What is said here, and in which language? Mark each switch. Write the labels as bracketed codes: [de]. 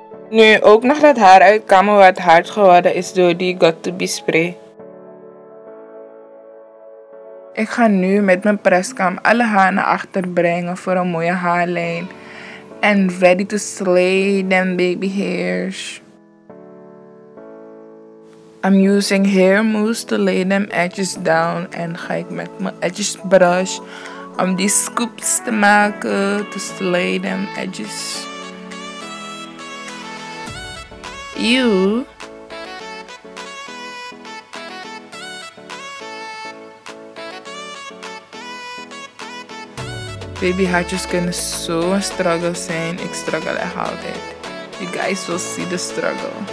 [nl] Nu ook nog dat haar uitkammen wat hard geworden is door die Got To Be spray. Ik ga nu met mijn preskam alle haar naar achter brengen voor een mooie haarlijn. [en] En ready to slay them baby hairs. I'm using hair mousse to lay them edges down. [nl] En ga ik met mijn edges brush om die scoops te maken [en] to slay them edges. Ew. [nl] Babyhaartjes kunnen zo'n struggle zijn. Ik struggle echt altijd. [en] You guys will see the struggle.